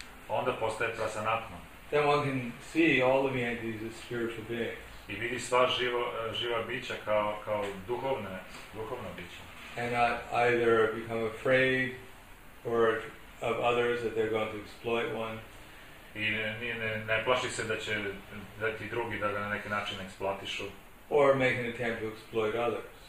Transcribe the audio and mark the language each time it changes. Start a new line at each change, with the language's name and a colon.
Serbian: Onda postaje prasanatma.
English: Then one can see all the entities as spiritual beings.
Serbian: I vidi sva živa bića kao duhovna bića.
English: And not either become afraid or of others that they're going to exploit one.
Serbian: I ne plaši se da će da ti drugi da ga na neki način eksploatišu.
English: Or make an attempt to exploit others.